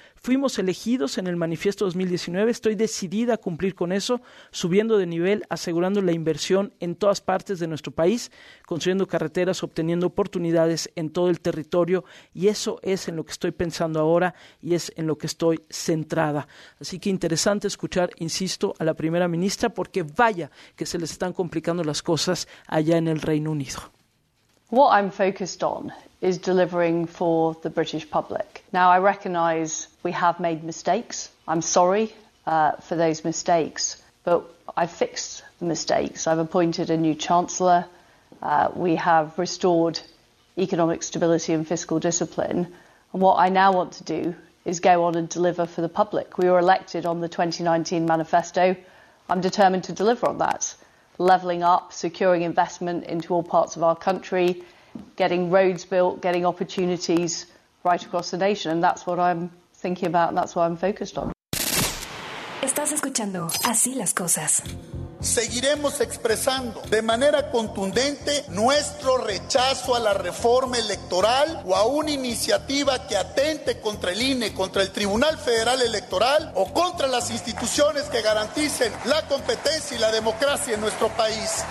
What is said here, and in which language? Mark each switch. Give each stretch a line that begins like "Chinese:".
Spanish: Fuimos elegidos en el manifiesto 2019, estoy decidida a cumplir con eso, subiendo de nivel, asegurando la inversión en todas partes de nuestro país, construyendo carreteras, obteniendo oportunidades en todo el territorio, y eso es en lo que estoy pensando ahora y es en lo que estoy centrada. Así que interesante escuchar, insisto, a la primera ministra, porque vaya que se les están complicando las cosas allá en el Reino Unido.
English: What I'm focused on is delivering for the British public. Now, I recognise we have made mistakes. I'm sorry for those mistakes, but I've fixed the mistakes. I've appointed a new Chancellor. We have restored economic stability and fiscal discipline. And what I now want to do is go on and deliver for the public. We were elected on the 2019 manifesto. I'm determined to deliver on that. Levelling up, securing investment into all parts of our country, getting roads built, getting opportunities right across the nation. And that's what I'm thinking about, and that's what I'm focused on.
Spanish: Estás escuchando Así las Cosas. Seguiremos expresando de manera contundente nuestro rechazo a la reforma electoral o a una iniciativa que atente contra el INE, contra el Tribunal Federal Electoral o contra las instituciones que garanticen la competencia y la democracia en nuestro país.